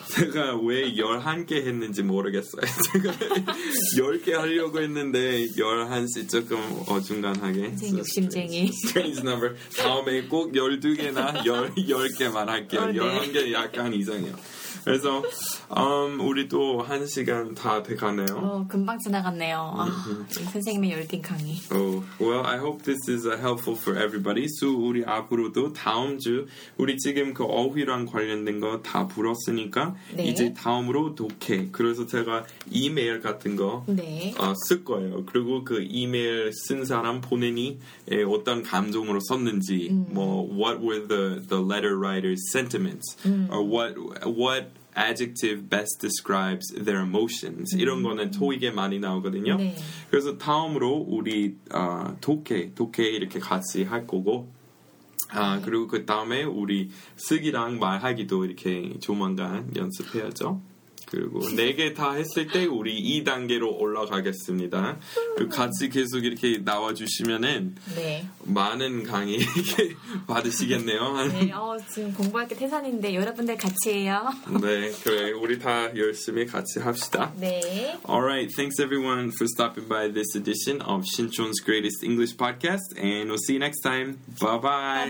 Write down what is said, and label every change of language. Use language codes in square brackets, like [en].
[ko] 제가 왜 11개 했는지 모르겠어요. 제가 10개 하려고 했는데 11시 조금 어중간하게. 선생님 욕심쟁이. [en] Strange number. [ko] 다음에 꼭 12개나 10개만 할게요. 11개 약간 이상해요. 그래서 우리 또 한 시간 다 돼가네요. 금방 지나갔네요. 선생님의 열띤 강의. [en] Well, I hope this is helpful for everybody. So [ko] 우리 앞으로도 다음 주 우리 지금 그 어휘랑 관련된 거 다 불었으니까 네. 이제 다음으로 독해. 그래서 제가 이메일 같은 거 네. 쓸 거예요. 그리고 그 이메일 쓴 사람 보내니 에, 어떤 감정으로 썼는지 뭐 [en] What were the letter writer's sentiments? Or what adjective best describes their emotions [ko] 이런 거는 토익에 많이 나오거든요. 네. 그래서 다음으로 우리 독해 이렇게 같이 할 거고 네. 그리고 그 다음에 우리 쓰기랑 말하기도 이렇게 조만간 연습해야죠. 그리고 네 개 다 했을 때 우리 2단계로 올라가겠습니다. 같이 계속 이렇게 나와주시면은 네. 많은 강의 받으시겠네요. 네, 지금 공부할 게 태산인데 여러분들 같이 해요. 네, 그래 우리 다 열심히 같이 합시다. 네. [en] Alright, thanks everyone for stopping by this edition of Shinchon's Greatest English Podcast, and we'll see you next time. Bye-bye.